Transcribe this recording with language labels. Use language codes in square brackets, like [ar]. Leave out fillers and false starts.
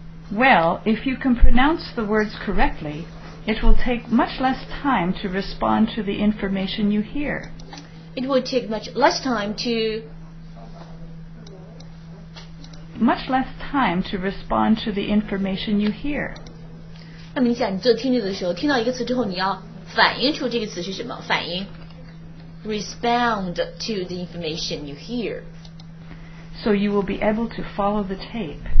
[en] Well, if you can pronounce the words correctly, it will take much less time to respond to the information you hear. It will take much less time to... Much less time to respond to the information you hear. [zh] 那你想你做听力的时候听到一个词之后你要反应出这个词是什么反应。 [en] Respond to the information you hear. So you will be able to follow the tape.